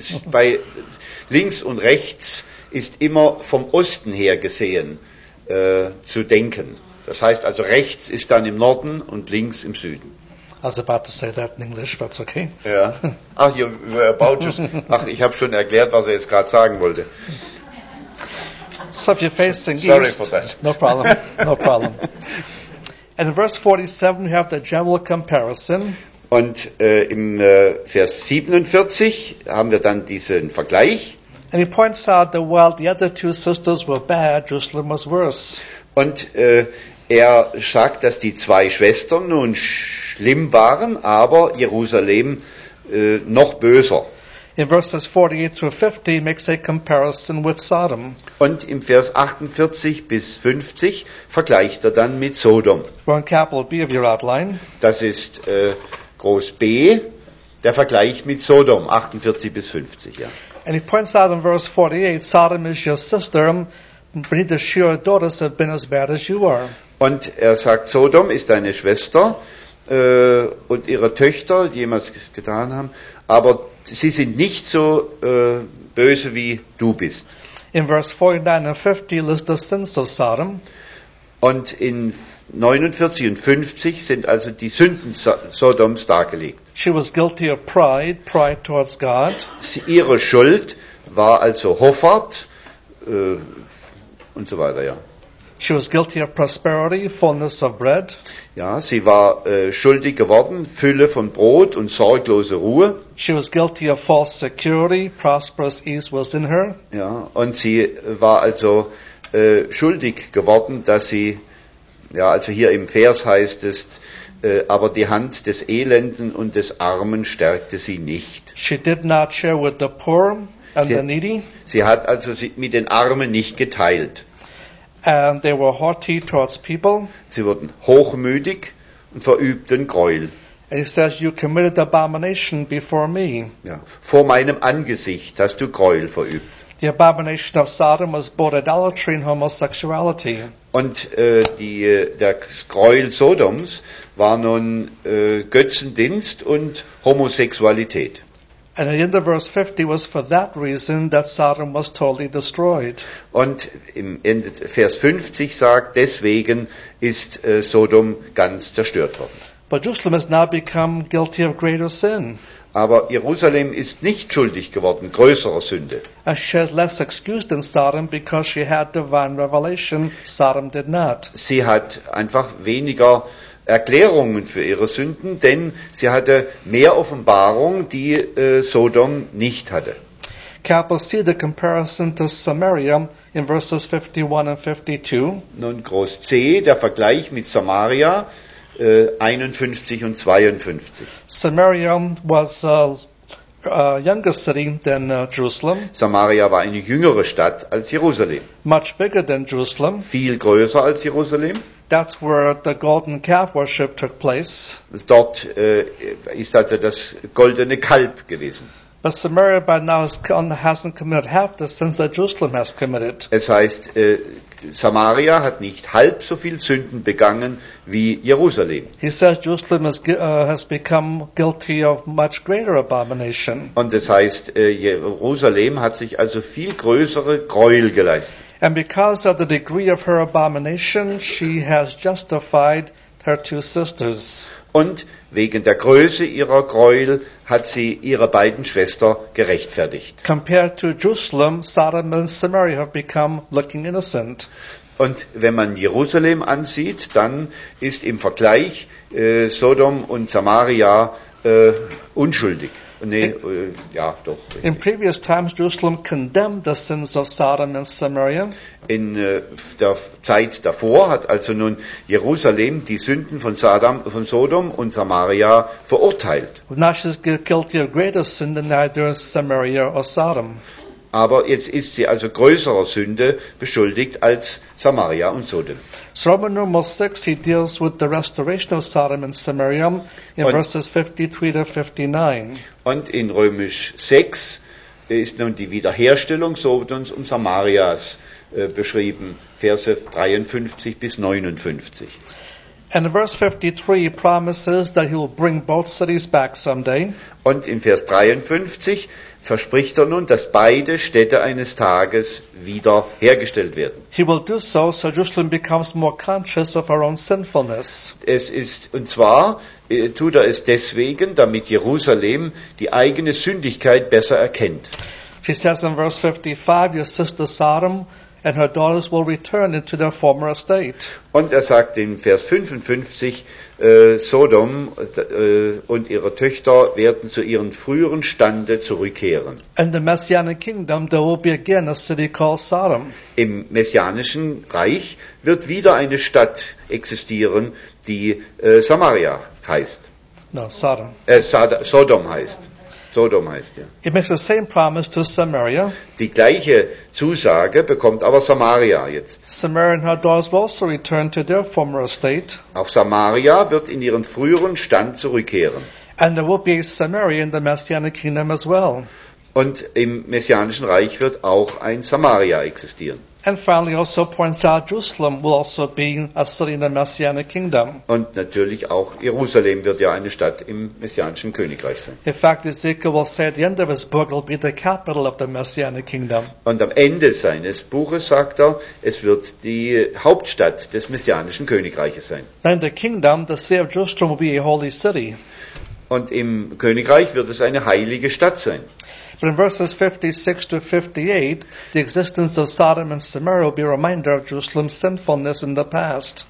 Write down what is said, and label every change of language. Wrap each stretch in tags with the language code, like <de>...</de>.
<de>Bei links und rechts ist immer vom Osten her gesehen zu denken. Das heißt also, rechts ist dann im Norden und links im Süden.</de> <en>I was about to say that in English, but it's okay.</en> <de>Ja. Ach,</de> <en>you were about to.</en> <de>Ach, ich habe schon erklärt, was er jetzt gerade sagen wollte.</de> <en>So if you're facing east. Sorry for that. No problem. And in verse 47 we have the general comparison.</en> <de>Und im Vers 47 haben wir dann diesen Vergleich.</de> <en>And he points out that while the other two sisters were bad, Jerusalem was worse.</en> <de>Und er sagt, dass die zwei Schwestern nun schlimm waren, aber Jerusalem noch böser.</de> <en>In verses 48 through 50 makes a comparison with Sodom.</en> <de>Und im Vers 48 bis 50 vergleicht er dann mit Sodom.</de> <en>We're on capital B of your outline.</en> <de>Das ist Groß B, der Vergleich mit Sodom, 48 bis 50. Ja.</de> <en>And he points out in verse 48, Sodom is your sister, but neither she or her daughters have been as bad as you are.</en> <de>Und er sagt, Sodom ist deine Schwester und ihre Töchter, die jemals getan haben, aber sie sind nicht so böse, wie du bist. In Vers 49 und 50</de> <en>list the sins of Sodom.</en> <de>Und in 49 und 50 sind also die Sünden Sodoms dargelegt.</de> <en>She was guilty of pride, pride towards God.</en> <de>Ihre Schuld war also Hoffart und so weiter, ja.</de> <en>She was guilty of prosperity, fullness of bread.</en> <de>Ja, sie war schuldig geworden, Fülle von Brot und sorglose Ruhe.</de> <en>She was guilty of false security, prosperous ease was in her.</en> <de>Ja, und sie war also schuldig geworden, dass sie, ja, also hier im Vers heißt es, aber die Hand des Elenden und des Armen stärkte sie nicht.</de> <en>She did not share with the poor and the needy.</en> <de>Sie hat also mit den Armen nicht geteilt.</de> <en>And they were haughty towards people.</en> <de>Sie wurden hochmütig und verübten Greuel.</de> <en>And he says, you committed abomination before me.</en> <de>Ja, vor meinem Angesicht hast du Greuel verübt.</de> <en>The abomination of Sodom was both idolatry and homosexuality.</en> <de>Und der Greuel Sodoms war nun Götzendienst und Homosexualität.</de> <en>And in the verse 50 was for that reason that Sodom was totally destroyed.</en> <de>Und im Ende Vers 50 sagt, deswegen ist Sodom ganz zerstört worden.</de> <en>But Jerusalem has now become guilty of greater sin.</en> <de>Aber Jerusalem ist nicht schuldig geworden, größerer Sünde.</de> <en>And she has less excuse than Sodom because she had divine revelation. Sodom did not.</en> <de>Sie hat einfach weniger Erklärungen für ihre Sünden, denn sie hatte mehr Offenbarung, die Sodom nicht hatte.</de> <en>Capital C, the comparison to Samaria in verses 51 and 52.</en> <de>Nun Groß C, der Vergleich mit Samaria, 51 und 52.</de> <en>Samaria was a younger city than Jerusalem.</en> <de>Samaria war eine jüngere Stadt als Jerusalem.</de> <en>Much bigger than Jerusalem.</en> <de>Viel größer als Jerusalem.</de> <en>That's where the golden calf worship took place.</en> <de>Dort ist also das goldene Kalb gewesen.</de> <en>But Samaria by now hasn't committed half the sins that Jerusalem has committed.</en> <de>Es heißt, Samaria hat nicht halb so viel Sünden begangen wie Jerusalem.</de> <en>He says Jerusalem has become guilty of much greater abomination.</en> <de>Und das heißt, Jerusalem hat sich also viel größere Gräuel geleistet.</de> <en>And because of the degree of her abomination, she has justified her two sisters.</en> <de>Und wegen der Größe ihrer Gräuel hat sie ihre beiden Schwestern gerechtfertigt.</de> <en>Compared to Jerusalem, Sodom and Samaria have become looking innocent.</en> <de>Und wenn man Jerusalem ansieht, dann ist im Vergleich Sodom und Samaria unschuldig.</de> <en>In previous times, Jerusalem condemned the sins of Sodom and Samaria.</en> <de>In der Zeit davor hat also nun Jerusalem die Sünden von Sodom und Samaria verurteilt.</de> <en>Now she's guilty of greater sin than either Samaria or Sodom.</en> <de>Aber jetzt ist sie also größerer Sünde beschuldigt als Samaria und Sodom.</de> <en>So Roman Numeral 6, he deals with the restoration of Sodom and Samaria in verses 53 to 59.</en> <de>Und in Römisch 6 ist nun die Wiederherstellung Sodoms und Samarias beschrieben, Verse 53 bis 59.</de> <en>And in verse 53 he promises that he will bring both cities back someday.</en> <de>Und in Vers 53 verspricht er nun, dass beide Städte eines Tages wieder hergestellt werden.</de> <en>He will do so, so Jerusalem becomes more conscious of her own sinfulness.</en> <de>Es ist, und zwar tut er es deswegen, damit Jerusalem die eigene Sündigkeit besser erkennt.</de> <en>She says in verse 55, your sister Sodom and her daughters will return into their former estate.</en> <de>Und er sagt in Vers 55, Sodom und ihre Töchter werden zu ihren früheren Stande zurückkehren.</de> <en>In the Messianic Kingdom, there will be again a city called Sodom.</en> <de>Im messianischen Reich wird wieder eine Stadt existieren, die Samaria heißt.</de> <en>No, Sodom.</en> <de>Sodom heißt. Sodom heißt, ja.</de> <en>It makes the same promise to Samaria.</en> <de>Die gleiche Zusage bekommt aber Samaria jetzt.</de> <en>Samaria and her daughters will also return to their former estate.</en> <de>Auch Samaria wird in ihren früheren Stand zurückkehren.</de> <en>And there will be Samaria in the Messianic Kingdom as well.</en> <de>Und im messianischen Reich wird auch ein Samaria existieren.</de> <en>And finally also points out Jerusalem will also be a city in the Messianic Kingdom.</en> <de>Und natürlich auch Jerusalem wird ja eine Stadt im Messianischen Königreich sein.</de> <en>In fact, Ezekiel will say at the end of his book will be the capital of the Messianic Kingdom.</en> <de>Und am Ende seines Buches sagt er, es wird die Hauptstadt des Messianischen Königreiches sein.</de> <en>Then the kingdom, the city of Jerusalem, will be a holy city.</en> <de>Und im Königreich wird es eine heilige Stadt sein.</de> <en>But in verses 56 to 58, the existence of Sodom and Samaria will be a reminder of Jerusalem's sinfulness in the past.</en>